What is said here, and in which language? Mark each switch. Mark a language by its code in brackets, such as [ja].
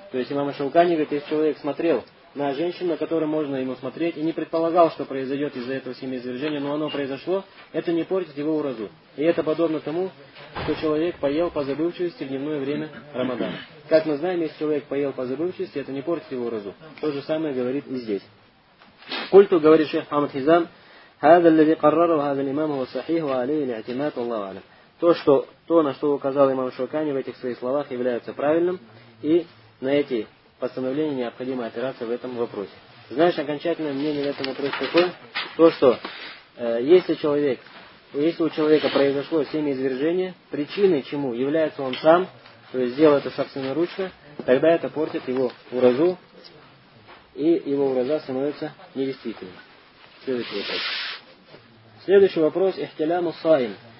[ru] То есть, имам Шаукани говорит, если человек смотрел на женщину, на которую можно ему смотреть, и не предполагал, что произойдет из-за этого семяизвержения, но оно произошло, это не портит его уразу. И это подобно тому, что человек поел по забывчивости в дневное время Рамадана. Как мы знаем, если человек поел по забывчивости, это не портит его уразу. То же самое говорит и здесь. Культу говорит шейх Мухаммад Хизам, [ar] هذا الذي قرره هذا الإمام هو الصحيح وعليه الاعتماد والله أعلم. [ru] То, на что указал имам Шаукани в этих своих словах, является правильным, и на эти постановление необходимо опираться в этом вопросе. Знаешь, окончательное мнение в этом вопросе такое, то что если у человека произошло семяизвержение, причиной чему является он сам, то есть сделал это собственноручно, тогда это портит его уразу, и его ураза становится недействительным. Следующий вопрос. Следующий вопрос. Ихтиляму саим.